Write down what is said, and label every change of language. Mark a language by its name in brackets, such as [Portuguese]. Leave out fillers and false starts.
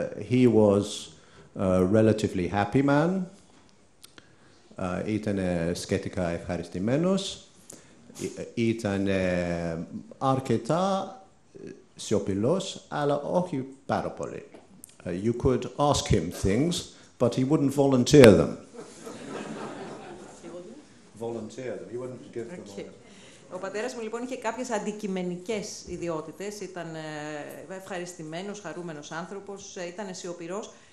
[English] He was a relatively happy man. [Greek] Ήταν σχετικά ευχαριστημένος. Ήταν αρκετά σιωπηλός, αλλά όχι πάρα πολύ. [English] You could ask him things, but he wouldn't volunteer them. Volunteer them. He wouldn't give them. Okay. [Greek] Ο πατέρας μου λοιπόν είχε κάποιες αντικειμενικές ιδιότητες. Ήταν ευχαριστημένος, χαρούμενος άνθρωπος, ήταν σιωπηρός.